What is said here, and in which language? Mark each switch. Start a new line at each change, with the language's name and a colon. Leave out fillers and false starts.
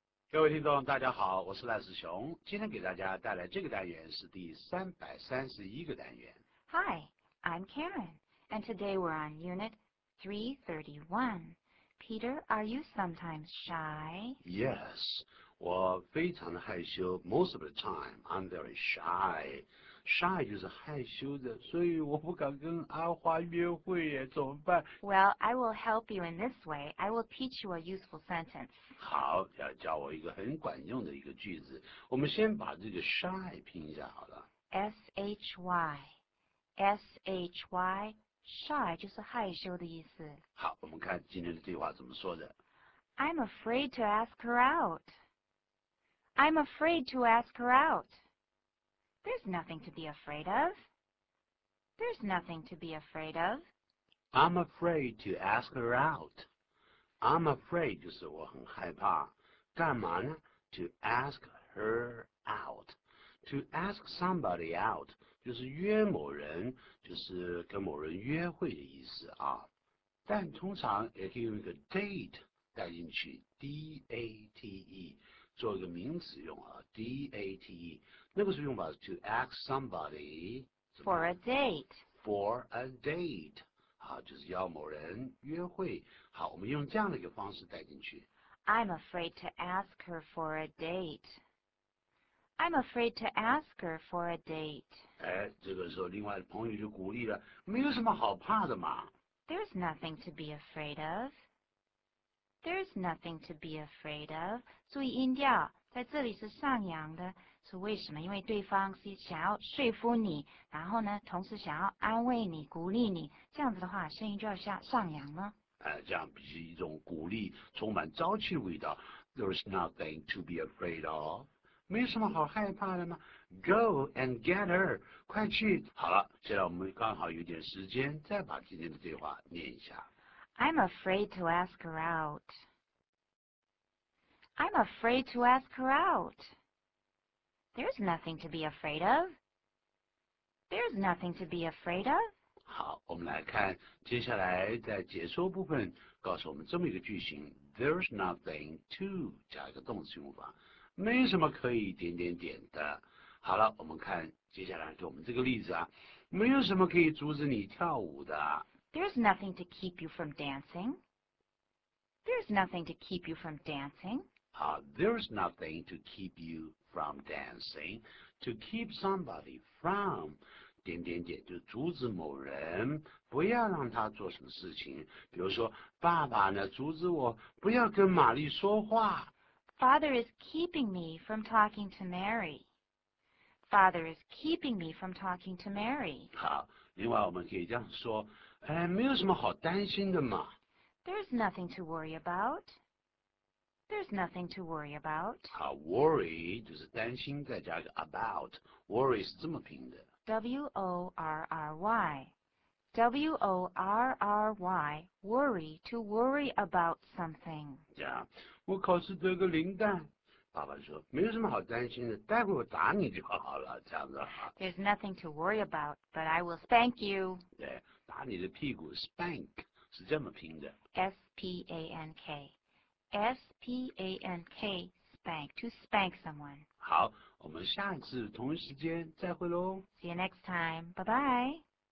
Chinese: 各位听众大家好，我是赖世雄，今天给大家带来这个单元是第331个单元。
English: Hi, I'm Karen, and today we're on unit 331. Peter, are you sometimes shy? Yes,
Chinese: 我非常的害羞
English: most of the time, I'm very shy.
Chinese: Shy 就是害羞的，所以我不敢跟阿花约会耶，怎么办？
English: Well, I will help you in this way. I will teach you a useful sentence.
Chinese: 好，要教我一个很管用的一个句子。我们先把这个 shy 拼一下好了。
English: S-H-Y.
Chinese: S-H-Y, shy, 就是害羞的意思。好，我们看今天的对话怎么说的。
English: I'm afraid to ask her out. I'm afraid to ask her out. There's nothing to be afraid of. There's nothing to be afraid of. I'm afraid to ask her out. I'm afraid
Chinese: 就是我很害怕。干嘛呢
English: ?To ask her out. To ask somebody out,
Chinese: 就是约某人，就是跟某人约会的意思啊。但通常也可以用一个 date 带进去 ,D-A-T-E, 做一个名词用啊 ,D-A-T-E, 那个时候用法是
English: to ask somebody for a date. For a date,
Chinese: 啊就是要某人约会。好，我们用这样的一个方式带进去。
English: I'm afraid to ask her for a date. I'm afraid to ask her for a date.
Chinese: 哎，这个时候另外的朋友就鼓励了，没有什么好怕的嘛。
English: There's nothing to be afraid of. There's nothing to be afraid of.
Chinese: 注意音调，在这里是上扬的，是为什么？因为对方是想要说服你，然后呢，同时想要安慰你、鼓励你，这样子的话，声音就要上扬呢。哎，这样比起一种鼓励，充满朝气味道。
English: There's nothing to be afraid of.
Chinese: 没什么好害怕的吗 ？
English: Go and get her，
Chinese: 快去。好了，现在我们刚好有点时间，再把今天的对话念一下。
English: I'm afraid to ask her out. I'm afraid to ask her out. There's nothing to be afraid of. There's nothing to be afraid of.
Chinese: 好，我们来看接下来在解说部分告诉我们这么一个句型 ：
English: There's nothing to
Chinese: 加一个动词用法。没什么可以点点点的。好了，我们看接下来给我们这个例子啊，没有什么可以阻止你跳舞的。
English: There's nothing to keep you from dancing. There's nothing to keep you from dancing. There's nothing to keep you from dancing. To keep somebody from
Chinese: 点点点，就阻止某人不要让他做什么事情。比如说，爸爸呢阻止我不要跟玛丽说话。
English: Father is keeping me from talking to Mary. Father is keeping me from talking to Mary.
Chinese: 好，另外我们可以这样说，哎，没有什么好担心的嘛。
English: There's nothing to worry about. There's nothing to worry about.
Chinese: 好 ，worry 就是担心，再加个 about. Worry 是这么拼的。
English: W-O-R-R-Y. W-O-R-R-Y. Worry, to worry about something. Yeah.
Chinese: 我考试得个零蛋，爸爸说没有什么好担心的，待会我打你就好了，这样子。
English: There's nothing to worry about, but I will spank you.
Chinese: 对，打你的屁股 ，spank 是这么拼的。
English: S-P-A-N-K, S-P-A-N-K, spank to spank someone.
Chinese: 好，我们下次同一时间再会喽。
English: See you next time. Bye bye.